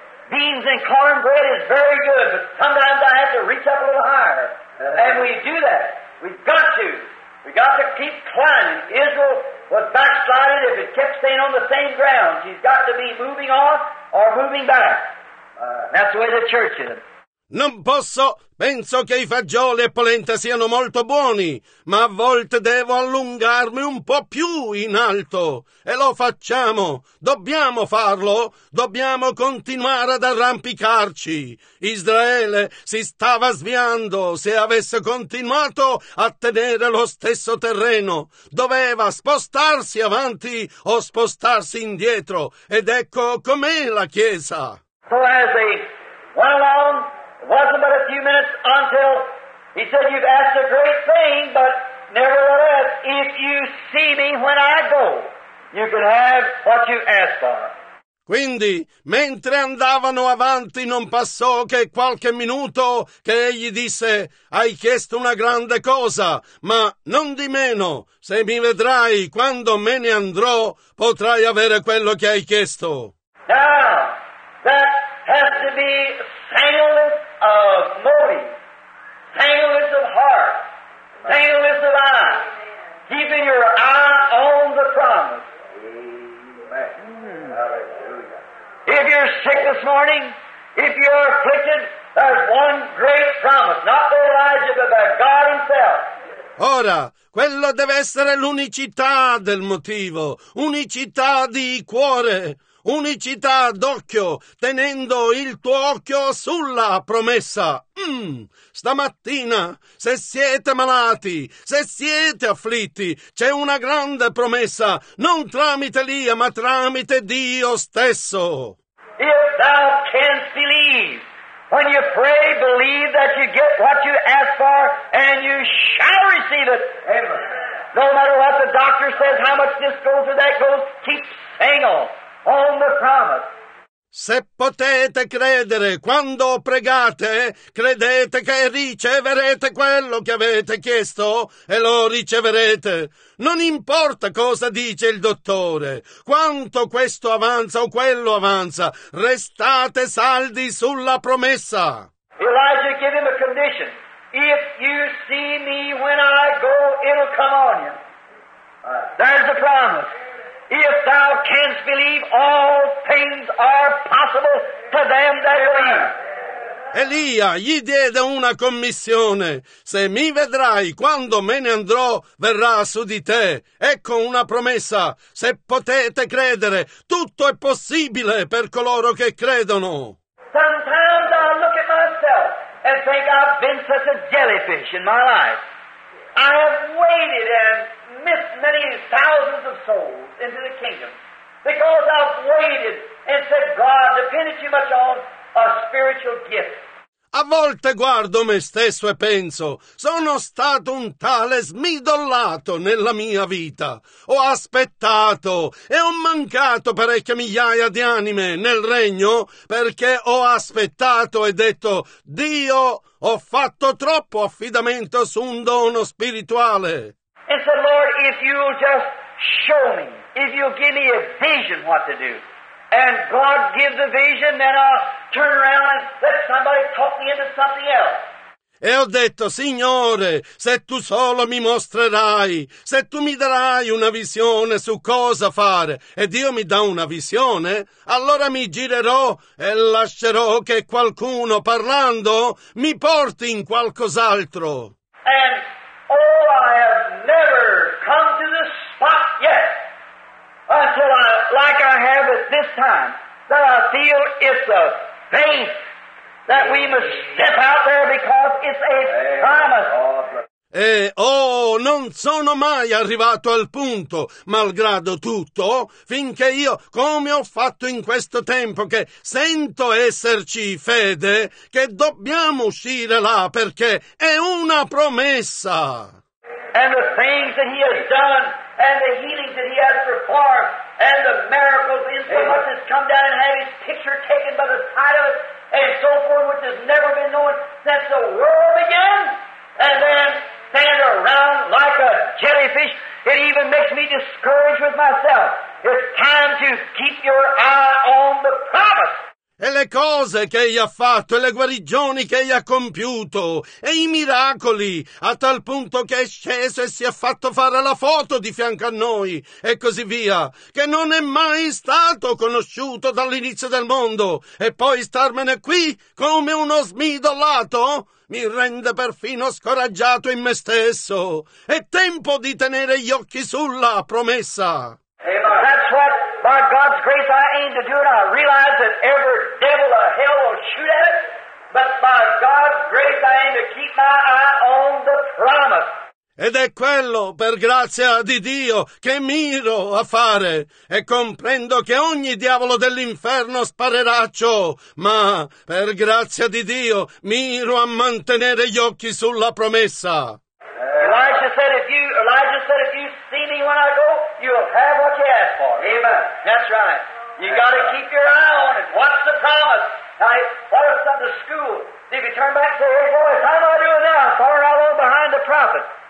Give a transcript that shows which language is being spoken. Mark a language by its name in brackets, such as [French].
[English] Beans and cornbread is very good, but sometimes I have to reach up a little higher. And we do that. We've got to keep climbing. Israel was backsliding if it kept staying on the same ground. She's got to be moving on or moving back. That's the way the church is. [Italian] Non posso. Penso che i fagioli e polenta siano molto buoni, ma a volte devo allungarmi un po' più in alto. E lo facciamo. Dobbiamo farlo. Dobbiamo continuare ad arrampicarci. Israele si stava sviando se avesse continuato a tenere lo stesso terreno. Doveva spostarsi avanti o spostarsi indietro. Ed ecco com'è la Chiesa. [English] So as they went along, it wasn't but a few minutes until he said, "You've asked a great thing, but nevertheless, if you see me when I go, you can have what you asked for." [Italian] Quindi, mentre andavano avanti, non passò che qualche minuto che egli disse: "Hai chiesto una grande cosa, ma non di meno. Se mi vedrai quando me ne andrò, potrai avere quello che hai chiesto." [English] Now, that has to be singleness of motive, singleness of heart, singleness of eye, keeping your eye on the promise. Amen. Hallelujah. If you're sick this morning, if you're afflicted, there's one great promise, not by Elijah, but by God Himself. [Italian] Ora, quello deve essere l'unicità del motivo, unicità di cuore. Unicità d'occhio, tenendo il tuo occhio sulla promessa. Stamattina, se siete malati, se siete afflitti, c'è una grande promessa, non tramite Elia, ma tramite Dio stesso. [English] If thou canst believe, when you pray, believe that you get what you ask for, and you shall receive it. Amen. No matter what the doctor says, how much this goes or that goes, keep saying on. On the promise. [Italian] Se potete credere quando pregate, credete che riceverete quello che avete chiesto e lo riceverete. Non importa cosa dice il dottore, quanto questo avanza o quello avanza, restate saldi sulla promessa. [English] Elijah gave him a condition: if you see me when I go, it'll come on you. There's the promise. If thou canst believe, all things are possible to them that believe. [Italian] Elia gli diede una commissione. Se mi vedrai quando me ne andrò, verrà su di te. Ecco una promessa. Se potete credere, tutto è possibile per coloro che credono. [English] Sometimes I look at myself and think I've been such a jellyfish in my life. I have waited and missed many thousands of souls into the kingdom because I've waited and said, "God, depended too much on a spiritual gift." [Italian] A volte guardo me stesso e penso, sono stato un tale smidollato nella mia vita. Ho aspettato e ho mancato parecchie migliaia di anime nel regno perché ho aspettato e detto, "Dio, ho fatto troppo affidamento su un dono spirituale." [English] E said, "Lord, if you'll just show me, if you'll give me a vision what to do, and God gives a vision, then I'll turn around and let somebody talk me into something else." [Italian] E ho detto, "Signore, se tu solo mi mostrerai, se tu mi darai una visione su cosa fare, e Dio mi dà una visione, allora mi girerò e lascerò che qualcuno parlando mi porti in qualcos'altro." [English] And, oh, I have never come to this spot yet. Until I, like I have at this time, that I feel it's a faith that we must step out there because it's a promise. [Italian] E, oh, non sono mai arrivato al punto, malgrado tutto, finché io, come ho fatto in questo tempo, che sento esserci fede, che dobbiamo uscire là perché è una promessa. [English] And the things that he has done, and the healings that he has performed, and the miracles in so much has come down and had his picture taken by the side of it, and so forth, which has never been known since the world began. And then stand around like a jellyfish, it even makes me discouraged with myself. It's time to keep your eye on the promise. [Italian] e le cose che egli ha fatto, e le guarigioni che egli ha compiuto, e i miracoli, a tal punto che è sceso e si è fatto fare la foto di fianco a noi, e così via, che non è mai stato conosciuto dall'inizio del mondo, e poi starmene qui come uno smidollato mi rende perfino scoraggiato in me stesso. È tempo di tenere gli occhi sulla promessa. Amen. [English] That's what, by God's grace, I aim to do, and I realize that every devil of hell will shoot at it, but by God's grace I aim to keep my eye on the promise. [Italian] Ed è quello, per grazia di Dio, che miro a fare. E comprendo che ogni diavolo dell'inferno sparerà ciò. Ma, per grazia di Dio, miro a mantenere gli occhi sulla promessa. [English] Elijah said, if you see me when I go, you'll have what you ask for. Amen. That's right. You gotta keep your eye on it. What's the promise? Now, what if something's school? If you turn back and say, hey, boys, how am I doing now? I'm far along behind the prophet.